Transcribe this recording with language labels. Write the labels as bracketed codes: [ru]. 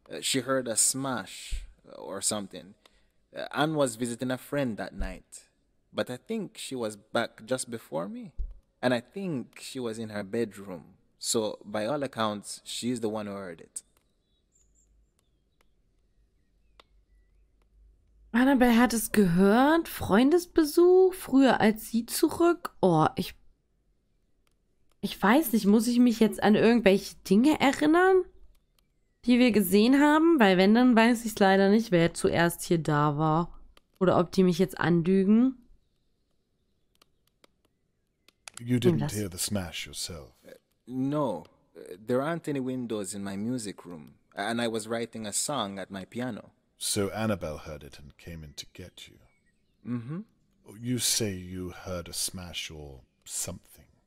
[en] She heard a smash or something. Anne was visiting a friend that night, but I think she was back just before me. And I think she was in her bedroom. So, by all accounts, she's the one who heard it. [de] Annabelle hat es gehört, Freundesbesuch, früher als sie zurück. Oh, ich weiß nicht, muss ich mich jetzt an irgendwelche Dinge erinnern, die wir gesehen haben? Weil wenn, dann weiß ich es leider nicht, wer zuerst hier da war oder ob die mich jetzt anlügen. [en] You didn't hear the smash yourself. No, there aren't any windows in my music room and I was writing a song at my piano. So Annabelle heard it and came in to get you. Mm-hmm. You say you heard a smash or something.